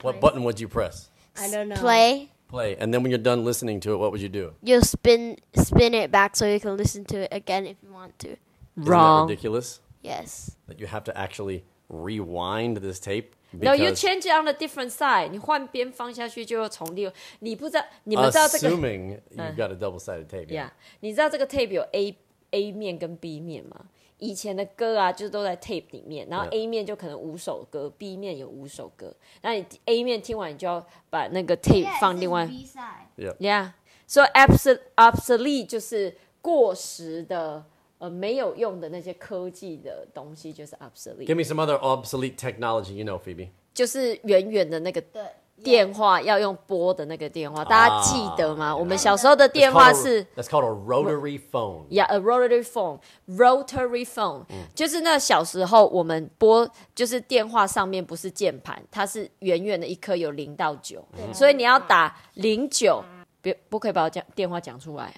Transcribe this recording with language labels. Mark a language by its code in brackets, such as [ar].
[en] what button would you press? I don't know. Play. And then when you're done listening to it, what would you do? You'll spin it back so you can listen to it again if you want to. Wrong. Isn't that ridiculous? Yes. That you have to actually rewind this tape? No, you change it on a different side. [zh] 你换边放下去就要重录。你不知道，你们知道这个 [en] ？Assuming you've got a double-sided tape. Yeah. [zh] 你知道这个 tape 有 A 面跟 B 面吗？以前的歌啊，就是都在 tape 里面，然后 A 面就可能五首歌 ，B 面有五首歌。那你 A 面听完，你就要把那个 tape 放另外。 [en] Yeah. [zh] So obsolete 就是过时的，没有用的那些科技的东西就是 obsolete. [en] Give me some other obsolete technology, you know, Phoebe. [zh] 就是远远的那个电话要用拨的那个电话，大家记得吗？我们小时候的电话是 [en] That's called a rotary phone. Yeah, a rotary phone. [zh] Rotary phone、就是那小时候我们拨，就是电话上面不是键盘，它是圆圆的一颗有零到九，所以你要打零九，不可以把我电话讲出来。